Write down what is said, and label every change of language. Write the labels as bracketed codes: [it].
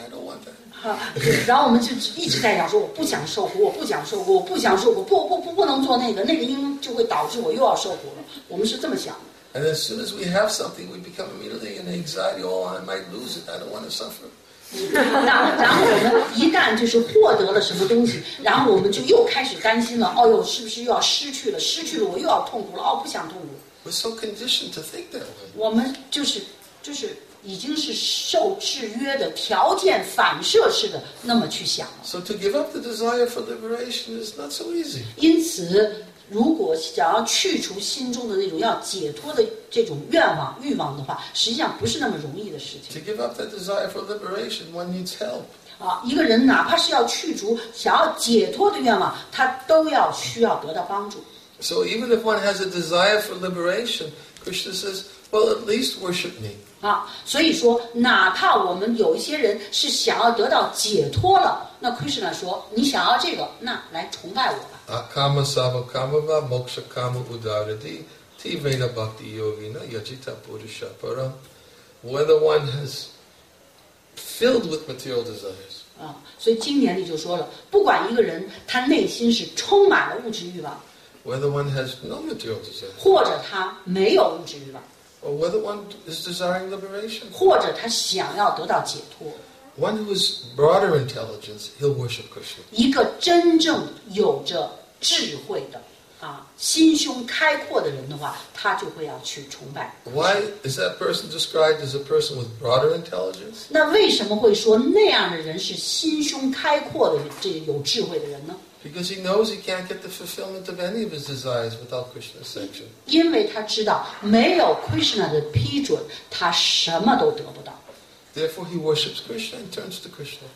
[en] I don't want that. [zh] 然后我们就一直在想说，我不想受苦，我不想受苦，我不想受苦，不能做那个，那个因就会导致我又要受苦了。我们是这么想的。 [en] And as soon as we have something, we become immediately in anxiety. Oh, I might lose it. I don't want to suffer. [zh] 然后我们一旦就是获得了什么东西，然后我们就又开始担心了。哦哟，是不是又要失去了？失去了我又要痛苦了。哦，不想痛苦。 [en] We're so conditioned to think that way. [zh] 我们就是。已经是受制约的条件反射式的那么去想了。 [en] So to give up the desire for liberation is not so easy. [zh] 因此，如果想要去除心中的那种要解脱的这种愿望、欲望的话，实际上不是那么容易的事情。 [en] To give up the desire for liberation, one needs help. [zh] 啊，一个人哪怕是要去除想要解脱的愿望，他都要需要得到帮助。 [en] So even if one has a desire for liberation, Krishna says, "Well, at least worship me." [zh] 啊，所以说，哪怕我们有一些人是想要得到解脱了，那 Krishna 说，你想要这个，那来崇拜我吧。 [sa] Akama sava kama va moksha kama udaradi ti vena bhakti yogi na yajita purusha param. [en] Whether one has filled with material desires. [zh] 啊，所以经典里就说了，不管一个人他内心是充满了物质欲望。 [en] Whether one has no material desire, [zh] 或者他没有物质欲望 [en] or whether one is desiring liberation, [zh] 或者他想要得到解脱 [en] one who is broader intelligence, he'll worship Krishna. [zh] 一个真正有着智慧的啊，心胸开阔的人的话，他就会要去崇拜。 [en] Why is that person described as a person with broader intelligence? [zh] 那为什么会说那样的人是心胸开阔的这有智慧的人呢？ [en] Because he knows he can't get the fulfillment of any of his desires without Krishna's sanction. [zh] 因为他知道没有 Krishna 的批准，他什么都得不到。 [en] Therefore, he worships Krishna and turns to Krishna.